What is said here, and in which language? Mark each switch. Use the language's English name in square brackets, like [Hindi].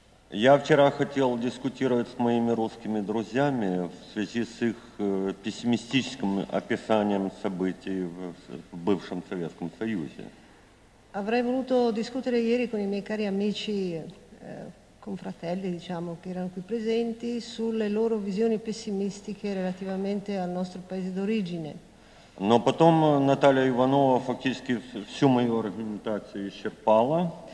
[Russian] Я вчера хотел дискутировать с моими русскими друзьями в связи с их пессимистическим описанием событий в бывшем Советском Союзе. [Italian] Avrei voluto discutere ieri con i miei cari amici, confratelli, diciamo, che erano qui presenti, sulle loro visioni pessimistiche relativamente al nostro paese d'origine. [Russian] Но потом Наталья Иванова фактически всю мою аргументацию исчерпала.